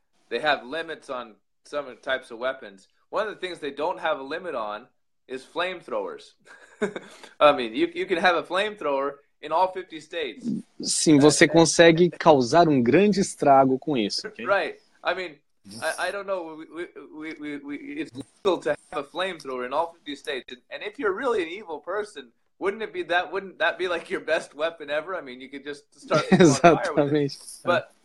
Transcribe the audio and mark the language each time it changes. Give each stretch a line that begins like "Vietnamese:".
English: They have limits on some types of weapons. One of the things they don't have a limit on is flamethrowers. I mean, you can have a flamethrower in all 50 states.
Portuguese: Sim, você consegue causar grande estrago com isso.
English: Okay? Right. I mean, I don't know. It's legal to have a flamethrower in all 50 states. And if you're really an evil person, wouldn't that be like your best weapon ever? I mean, you could just start on fire with it.